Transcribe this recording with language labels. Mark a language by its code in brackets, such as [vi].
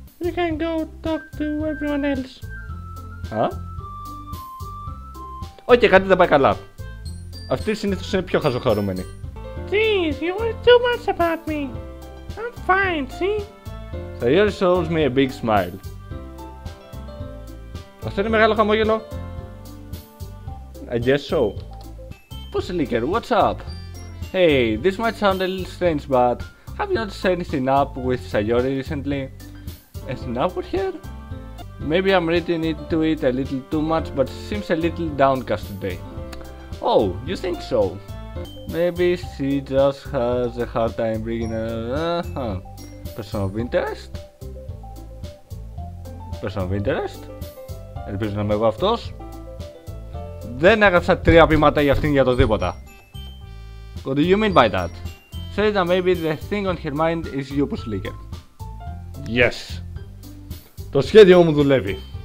[en] You can go talk to everyone else. Huh? [el] Okay, κάτι δεν πάει καλά. Αυτή συνήθως είναι πιο χαζοχαρούμενη. [en] Jeez, you worry too much about me. I'm fine, see? Sayonara shows me a big smile. [el] Αυτό είναι μεγάλο χαμόγελο. [en] I guess so. Pussy Licker, what's up? Hey, this might sound a little strange, but have you noticed anything up with Sayori recently? Anything up with her? Maybe I'm reading into it a little too much, but she seems a little downcast today. Oh, you think so? Maybe she just has a hard time bringing a person of interest? Person of interest? [el] Ελπίζω να είμαι εγώ αυτός. Δεν έγραψα τρία πείματα για αυτήν για το τίποτα. [en] What do you mean by that? Say that maybe the thing on her mind is you, Pussy Licker. Yes. [el] Το σχέδιό μου δουλεύει.